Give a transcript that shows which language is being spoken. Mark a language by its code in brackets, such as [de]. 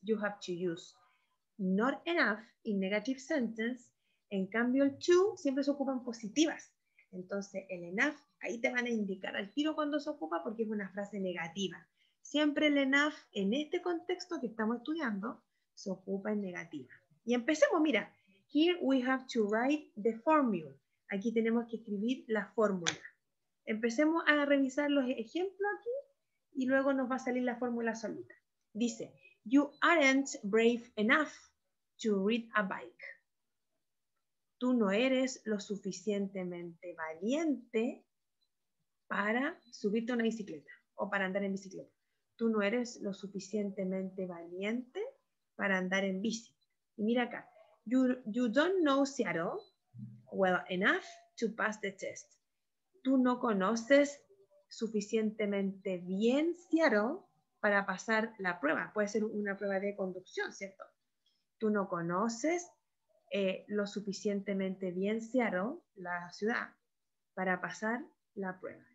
[en] You have to use not enough in negative sentence. [es] En cambio, el to siempre se ocupa en positivas. Entonces, el enough, ahí te van a indicar al tiro cuando se ocupa porque es una frase negativa. Siempre el enough en este contexto que estamos estudiando se ocupa en negativa. Y empecemos, mira. [en] Here we have to write the formula. [es] Aquí tenemos que escribir la fórmula. Empecemos a revisar los ejemplos aquí y luego nos va a salir la fórmula solita. Dice, [en] you aren't brave enough to ride a bike. [es] Tú no eres lo suficientemente valiente para subirte a una bicicleta o para andar en bicicleta. Tú no eres lo suficientemente valiente para andar en bici. Y mira acá, [en] you don't know Seattle well enough to pass the test. [es] Tú no conoces suficientemente bien Seattle para pasar la prueba. Puede ser una prueba de conducción, ¿cierto? Tú no conoces lo suficientemente bien Seattle, la ciudad, para pasar la prueba.